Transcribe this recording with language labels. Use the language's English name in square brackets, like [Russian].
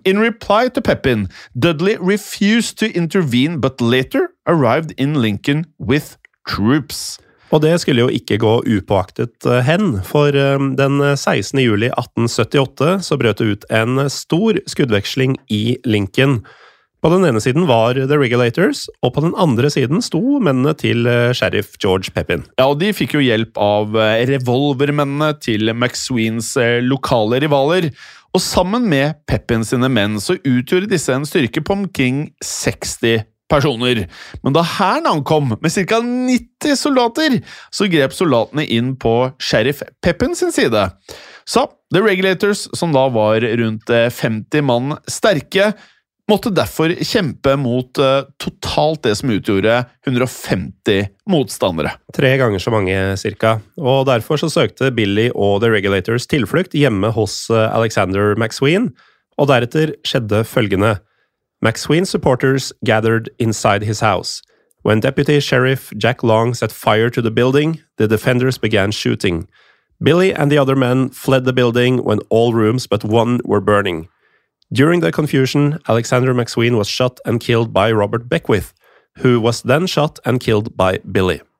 [English] In reply to Pippin, Dudley refused to intervene, but later arrived in Lincoln with troops. [Norwegian] Og det skulle jo ikke gå upåaktet hen, for den 16. juli 1878 så brøt det ut en stor skuddveksling i Lincoln. På den ene siden var The Regulators, og på den andre siden sto mennene til Sheriff George Pippin. Ja, og de fikk jo hjelp av revolvermennene til McSweens lokale rivaler. Og sammen med Pippin sine menn så utgjorde disse en styrke på omkring 60 personer. Men da hæren ankom med cirka 90 soldater, så grep soldatene inn på sheriff Pepin sin side. Så The Regulators, som da var rundt 50 mann sterke, måtte derfor kjempe mot totalt det som utgjorde 150 motstandere. Tre ganger så mange, cirka. Og derfor så søkte Billy og The Regulators tilflukt hjemme hos Alexander McSween, og deretter skjedde følgende. [English] McSween's supporters gathered inside his house. When Deputy Sheriff Jack Long set fire to the building, the defenders began shooting. Billy and the other men fled the building when all rooms but one were burning. During the confusion, Alexander McSween was shot and killed by Robert Beckwith, who was then shot and killed by Billy.